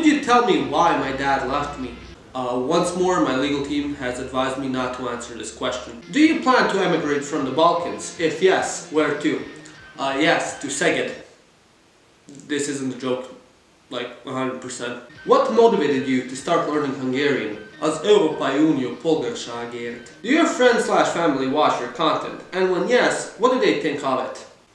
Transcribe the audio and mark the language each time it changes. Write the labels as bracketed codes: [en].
[en] Tell me why my dad left me. Once more, my legal team has advised me not to answer this question. Do you plan to emigrate from the Balkans? If yes, where to? Yes, to Seged. This isn't a joke, like 100%. What motivated you to start learning Hungarian? [hu] Az európai unió polgárságért. [en] Do your friends slash family watch your content? And when yes, what do they think of it?